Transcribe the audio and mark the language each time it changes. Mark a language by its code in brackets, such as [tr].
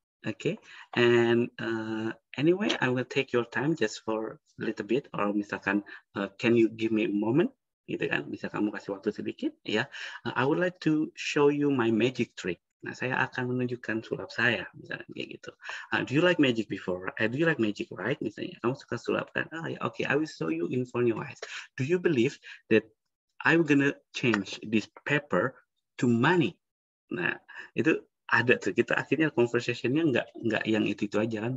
[en] Okay, and anyway, I will take your time just for a little bit. Or [id] misalkan, [en] can you give me a moment? [id] Gitu kan, bisa kamu kasih waktu sedikit ya. [en] I would like to show you my magic trick. [id] Nah, saya akan menunjukkan sulap saya, misalnya kayak gitu. [en] Do you like magic before? Do you like magic, right? [id] Misalnya, kamu suka sulap kan? Ah, ya, okay. [en] I will show you in front of your eyes. Do you believe that I'm gonna change this paper to money? [id] Nah, itu ada tuh. Kita akhirnya conversation-nya enggak yang itu aja kan.